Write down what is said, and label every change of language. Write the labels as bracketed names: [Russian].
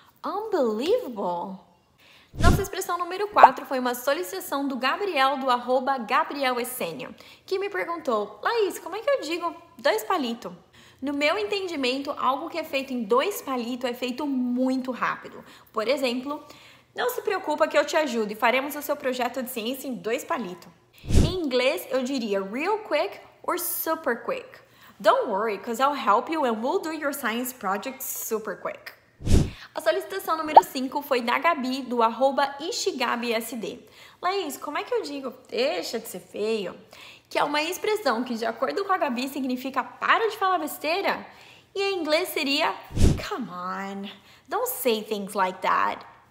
[English] Unbelievable! [Portuguese] Nossa expressão número 4 foi uma solicitação do Gabriel, do @GabrielEssênio, que me perguntou: Laís, como é que eu digo dois palitos? No meu entendimento, algo que é feito em dois palitos é feito muito rápido. Por exemplo, não se preocupa que eu te ajudo e faremos o seu projeto de ciência em dois palitos. Em inglês, eu diria [English] real quick or super quick. Don't worry, because I'll help you and we'll do your science project super quick. [Portuguese] A solicitação número 5 foi da Gabi, do arroba IshigabiSD. Laís, como é que eu digo, deixa de ser feio? Que é uma expressão que, de acordo com a Gabi, significa para de falar besteira. E em inglês seria, [English] come on, don't say things like that.